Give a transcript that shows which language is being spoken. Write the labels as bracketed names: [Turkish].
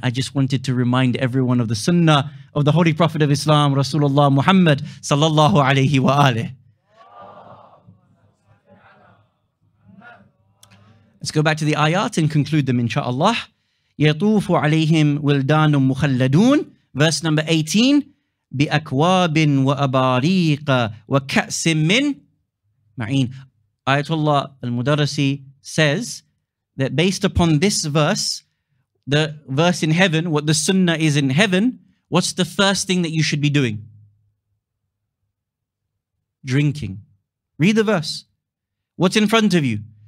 [English] I just wanted to remind everyone of the sunnah of the Holy Prophet of Islam, Rasulullah Muhammad sallallahu alayhi wa alayhi. Let's go back to the ayat and conclude them, inshaAllah. [Arabic] يَطُوفُ عَلَيْهِمْ وِلْدَانُ مُخَلَّدُونَ. [English] Verse number 18, [Arabic] بِأَكْوَابٍ وَأَبَارِيقَ وَكَأْسٍ مِّنْ مَعِينَ. [English] Ayatollah al-Mudarrisi says that based upon this verse, the verse in heaven, what the sunnah is in heaven, what's the first thing that you should be doing? Drinking. Read the verse. What's in front of you?